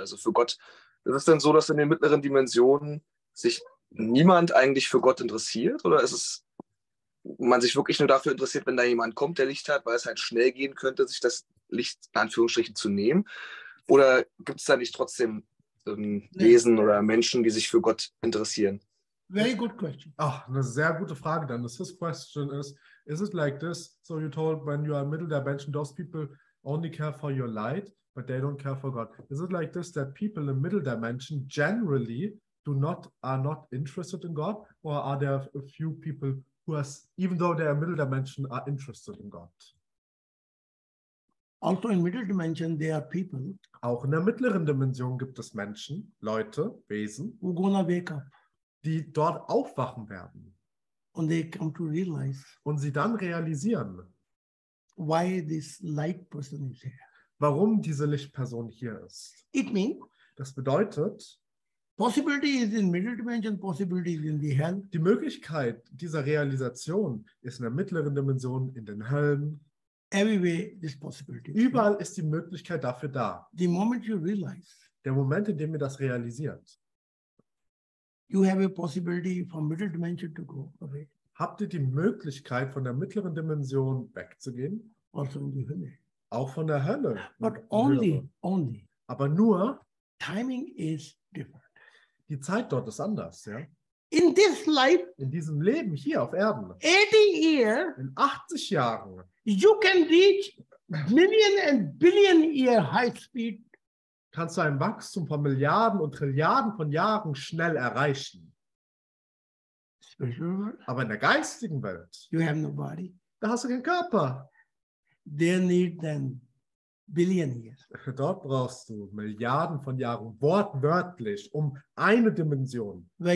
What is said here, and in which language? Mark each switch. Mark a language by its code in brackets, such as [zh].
[de] Also für Gott, ist es denn so, dass in den mittleren Dimensionen sich niemand eigentlich für Gott interessiert? Oder ist es, man sich wirklich nur dafür interessiert, wenn da jemand kommt, der Licht hat, weil es halt schnell gehen könnte, sich das Licht in Anführungsstrichen zu nehmen? Oder gibt es da nicht trotzdem Wesen oder Menschen, die sich für Gott interessieren? [en] Very good question. [de] Ach, eine sehr gute Frage dann. [en] His question is it like this? So you told when you are middle dimension, those people only care for your light, but they don't care for God. Is it like this, that people in middle dimension generally are not interested in God? Or are there a few people who are, even though they are middle dimension, are interested in God? Also in middle dimension, there are people. [de] Auch in der mittleren Dimension gibt es Menschen, Leute, Wesen, [en] who gonna wake up. [de] Die dort aufwachen werden. [en] And they come to realize, [de] und sie dann realisieren, [en] why this light person is here. [de] Warum diese Lichtperson hier ist. [en] It means, [de] das bedeutet, [en] possibility is in middle dimension, possibility is in the hell. [de] Die Möglichkeit dieser Realisation ist in der mittleren Dimension, in den Höllen. [en] Everywhere this possibility. [de] Überall ist die Möglichkeit dafür da. [en] The moment you realize, [de] der Moment, in dem ihr das realisiert, [en] you have a possibility from middle dimension to go away. [de] Habt ihr die Möglichkeit, von der mittleren Dimension wegzugehen? Also in die Hölle. Auch von der Hölle. [en] But only. [de] Aber nur. [en] Timing is different. [de] Die Zeit dort ist anders, ja. [en] In this life, [de] in diesem Leben hier auf Erden, [en] 80 years, [de] in 80 Jahren, [en] you can reach million and billion year high speed, [de] kannst du ein Wachstum von Milliarden und Trilliarden von Jahren schnell erreichen. Aber in der geistigen Welt, [en] you have no body. [de] Da hast du keinen Körper. [en] They need then billion years. [de] Dort brauchst du Milliarden von Jahren, wortwörtlich, um eine Dimension.